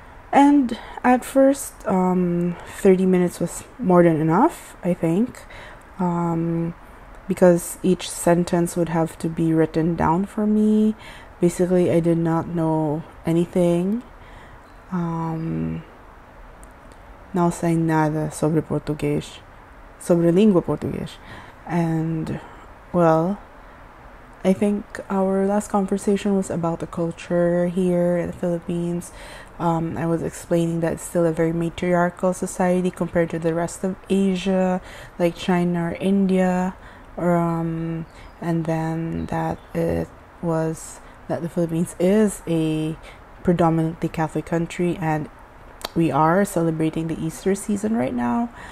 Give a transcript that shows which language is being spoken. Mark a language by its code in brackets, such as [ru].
[en] And at first, 30 minutes was more than enough, I think, because each sentence would have to be written down for me. Basically, I did not know anything. [pt] Não sei nada sobre português, sobre língua portuguesa. [en] And well, I think our last conversation was about the culture here in the Philippines. I was explaining that it's still a very matriarchal society compared to the rest of Asia, like China or India, and then that it was that the Philippines is a predominantly Catholic country, and we are celebrating the Easter season right now.